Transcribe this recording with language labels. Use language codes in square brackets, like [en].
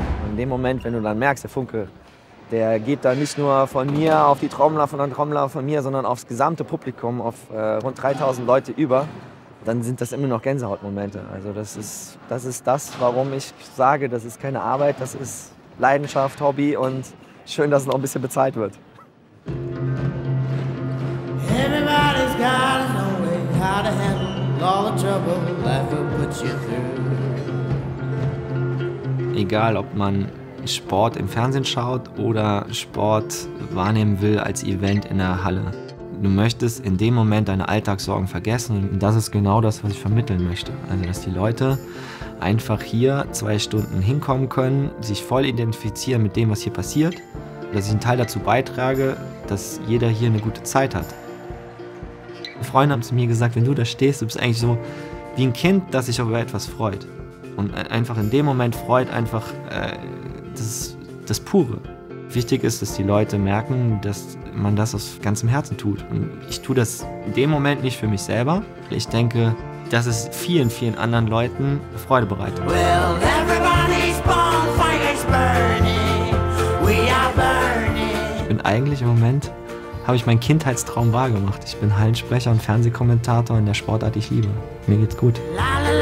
[de] In dem Moment, wenn du dann merkst, der Funke, der geht dann nicht nur von mir auf die Trommler, von den Trommler von mir, sondern aufs gesamte Publikum, auf rund 3000 Leute über, dann sind das immer noch Gänsehautmomente. Also das ist das, warum ich sage, das ist keine Arbeit, das ist Leidenschaft, Hobby und schön, dass es noch ein bisschen bezahlt wird. [en] Everybody's got his own way, how to handle all the trouble life will put you through. [de] Egal, ob man Sport im Fernsehen schaut oder Sport wahrnehmen will als Event in der Halle. Du möchtest in dem Moment deine Alltagssorgen vergessen und das ist genau das, was ich vermitteln möchte. Also, dass die Leute einfach hier 2 Stunden hinkommen können, sich voll identifizieren mit dem, was hier passiert, dass ich einen Teil dazu beitrage, dass jeder hier eine gute Zeit hat. Freunde haben zu mir gesagt, wenn du da stehst, du bist eigentlich so wie ein Kind, das sich über etwas freut. Und einfach in dem Moment freut einfach das Pure. Wichtig ist, dass die Leute merken, dass man das aus ganzem Herzen tut. Und ich tue das in dem Moment nicht für mich selber. Ich denke, dass es vielen, vielen anderen Leuten Freude bereitet. [en] Well, everybody's bonfire's burning. We are burning. [de] Ich bin eigentlich im Moment, habe ich meinen Kindheitstraum wahrgemacht. Ich bin Hallensprecher und Fernsehkommentator in der Sportart, die ich liebe. Mir geht's gut. Life.